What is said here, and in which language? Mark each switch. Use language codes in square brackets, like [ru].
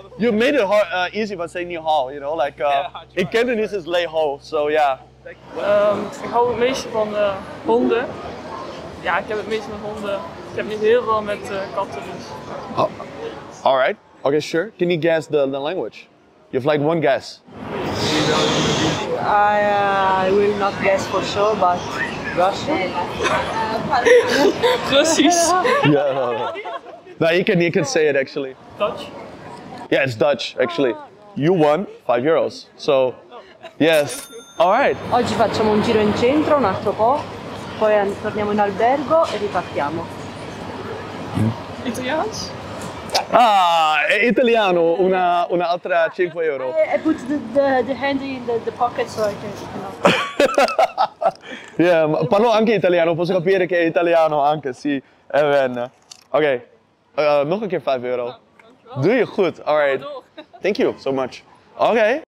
[en] You made it hard, easy by saying Ni Hao, you know, like, in Cantonese is Lei Ho, so yeah. [nl] Ik hou het meeste van honden. Ja, ik heb het meeste van honden. Ik heb niet heel veel met katten, dus. [en] All right. Okay, sure. Can you guess the language? You have like one guess. I will not guess for sure, but Russian. [nl] Russisch. [en] Yeah. No, you can say it actually. Dutch? Yeah, it's Dutch actually. You won 5 euros. So, yes. All right. [it] Oggi facciamo un giro in centro, un altro po', poi torniamo in albergo e ripartiamo. Italiano? Ah, è italiano, un'altra 5 euro. [en] I put the hand in the pocket so I can. [it] Yeah, ma parlo anche italiano, posso capire che è italiano anche, sì. Ebbene. [nl] Ok, nog een keer 5 euro. Doe je goed, alright. [en] Thank you so much. [nl] Ok.